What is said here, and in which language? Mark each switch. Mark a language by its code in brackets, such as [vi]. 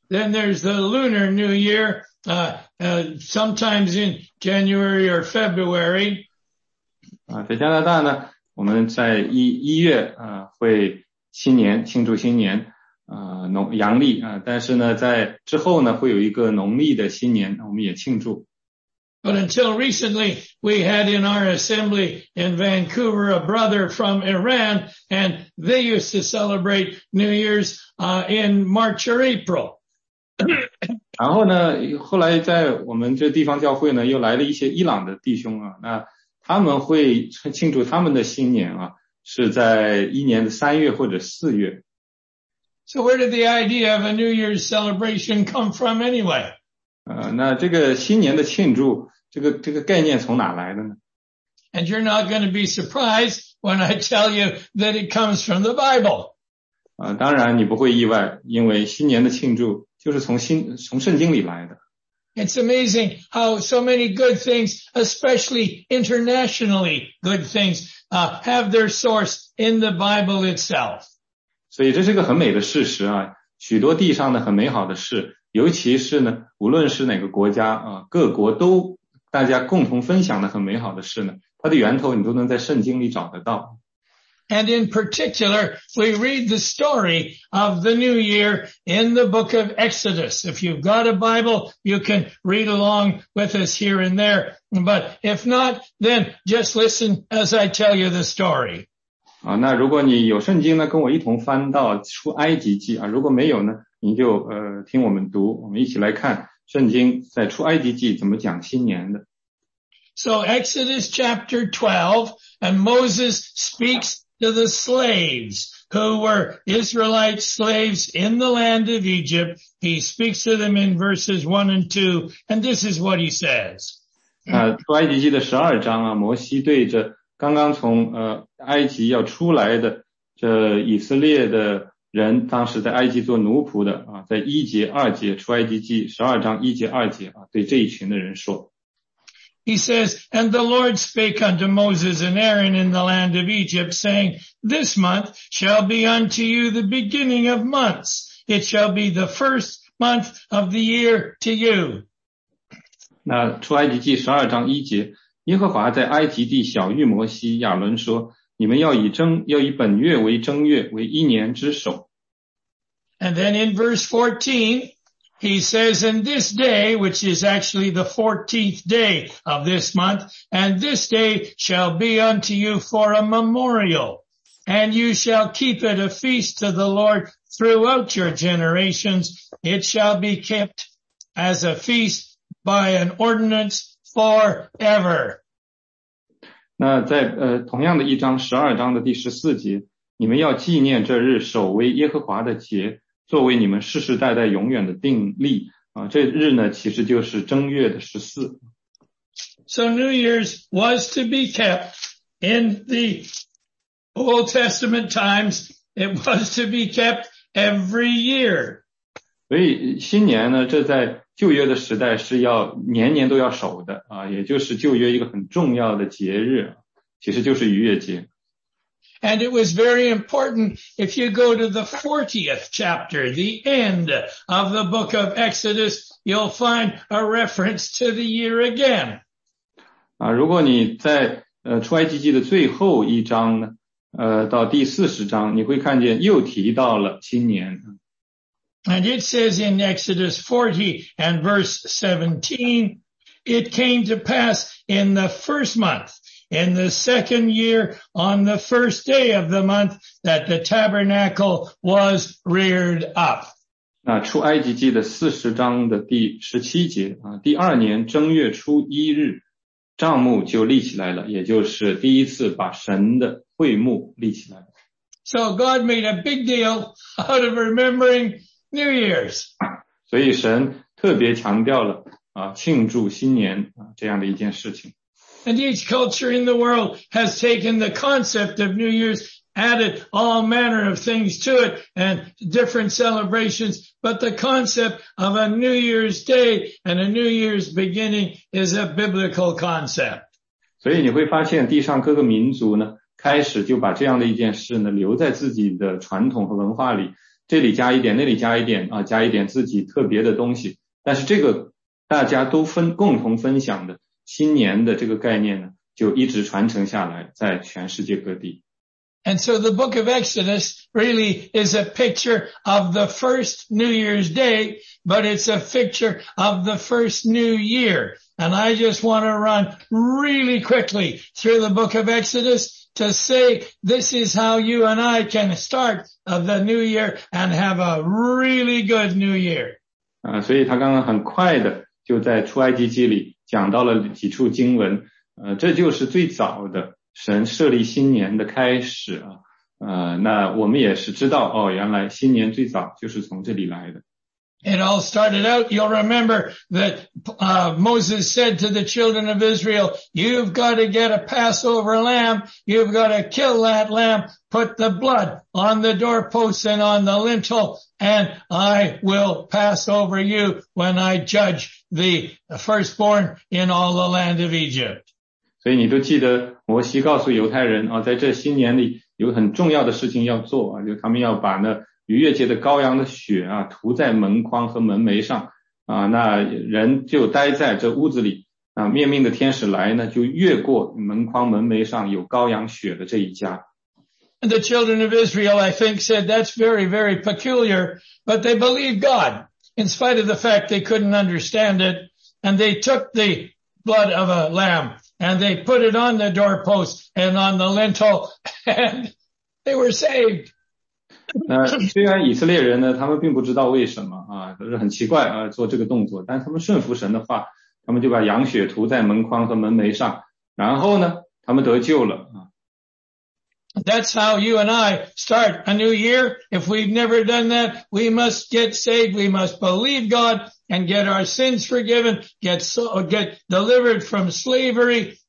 [en] Then there's the Lunar New Year, sometimes in January or February. [zh] 啊，在加拿大呢，我们在一月啊，会新年庆祝新年。阳历啊，但是呢，在之后呢，会有一个农历的新年，我们也庆祝。 [en] But until recently, we had in our assembly in Vancouver a brother from Iran, and they used to celebrate New Year's in March or April. [zh] 然后呢，后来在我们这地方教会呢，又来了一些伊朗的弟兄啊，那他们会庆祝他们的新年啊，是在一年的3月或者4月。 [en] So, where did the idea of a New Year's celebration come from anyway? [zh] 那这个新年的庆祝，这个概念从哪来的呢？ [en] And you're not going to be surprised when I tell you that it comes from the Bible. [zh] 当然你不会意外，因为新年的庆祝就是从圣经里来的。 [en] It's amazing how so many good things, especially internationally good things, have their source in the Bible itself. [zh] 所以这是个很美的事实啊，许多地上的很美好的事。尤其是呢，无论是哪个国家啊，各国都大家共同分享的很美好的事呢，它的源头你都能在圣经里找得到。 [en] And in particular, we read the story of the New Year in the book of Exodus. If you've got a Bible, you can read along with us here and there. But if not, then just listen as I tell you the story. [zh] 啊，那如果你有圣经呢，跟我一同翻到出埃及记啊，如果没有呢？你就听我们读，我们一起来看圣经在出埃及记怎么讲新年的。 [en] So Exodus chapter 12, and Moses speaks to the slaves who were Israelite slaves in the land of Egypt. He speaks to them in verses 1 and 2, and this is what he says. [zh] 出埃及记的12章啊，摩西对着刚刚从埃及要出来的这以色列的。人当时在埃及做奴仆的啊，在一节二节出埃及记12章1节2节啊，对这一群的人说。 [en] He says, And the Lord spake unto Moses and Aaron in the land of Egypt, saying, This month shall be unto you the beginning of months. It shall be the first month of the year to you. [zh] 那出埃及记12章1节，耶和华在埃及地晓谕摩西、亚伦说：“你们要以本月为正月，为一年之首。” [en] And then in verse 14, He says, in this day, which is actually the 14th day of this month, and this day shall be unto you for a memorial, and you shall keep it a feast to the Lord throughout your generations. It shall be kept as a feast by an ordinance forever. [zh] 那在同样的一章12章的第14节，你们要纪念这日，守为耶和华的节。作为你们世世代代永远的定例啊，这日呢，其实就是正月的十四。 [en] So New Year's was to be kept in the Old Testament times. It was to be kept every year. [zh] 所以新年呢，这在旧约的时代是要年年都要守的啊，也就是旧约一个很重要的节日，其实就是逾越节。 [en] And it was very important if you go to the 40th chapter, the end of the book of Exodus, you'll find a reference to the year again. [zh] 如果你在出埃及记的最后一章呢，到第40章，你会看见又提到了新年。 [en] And it says in Exodus 40 and verse 17, it came to pass in the first month, in the second year, on the first day of the month, that the tabernacle was reared up. [zh] 那出埃及记的40章的第17节啊，第二年正月初一日，帐幕就立起来了，也就是第一次把神的会幕立起来了。 [en] So God made a big deal out of remembering New Year's. [zh] 所以神特别强调了庆祝新年啊这样的一件事情。 [en] And each culture in the world has taken the concept of New Year's added all manner of things to it and different celebrations. But the concept of a New Year's Day and a New Year's beginning is a biblical concept. [zh] 所以你会发现地上各个民族呢开始就把这样的一件事呢留在自己的传统和文化里。这里加一点那里加一点啊加一点自己特别的东西。但是这个大家都共同分享的新年的这个概念呢就一直传承下来在全世界各地。 [en] And so the book of Exodus really is a picture of the first New Year's Day, but it's a picture of the first New Year. And I just want to run really quickly through the book of Exodus to say this is how you and I can start of the New Year and have a really good New Year. [zh] 所以他刚刚很快的就在出埃及记里讲到了几处经文，这就是最早的。神设立新年的开始啊，那我们也是知道哦，原来新年最早就是从这里来的。 [en] It all started out, you'll remember that, Moses said to the children of Israel, you've got to get a Passover lamb, you've got to kill that lamb, put the blood on the doorposts and on the lintel, and I will pass over you when I judge the firstborn in all the land of Egypt. [zh] 所以你都记得摩西告诉犹太人啊，在这新年里有很重要的事情要做啊，就他们要把那逾越节的羔羊的血啊涂在门框和门楣上啊，那人就待在这屋子里啊，灭命的天使来呢就越过门框门楣上有羔羊血的这一家。 [en] And the children of Israel, I think, said that's very, very peculiar, but they believed God in spite of the fact they couldn't understand it, and they took the blood of a lamb. And they put it on the doorpost and on the lintel, and they were saved. [zh] 虽然以色列人呢，他们并不知道为什么啊，都是很奇怪啊，做这个动作，但他们顺服神的话，他们就把羊血涂在门框和门楣上，然后呢，他们得救了啊。 [en] That's how you and I start a new year. If we've never done that, we must get saved. We must believe God and get our sins forgiven, get delivered from slavery.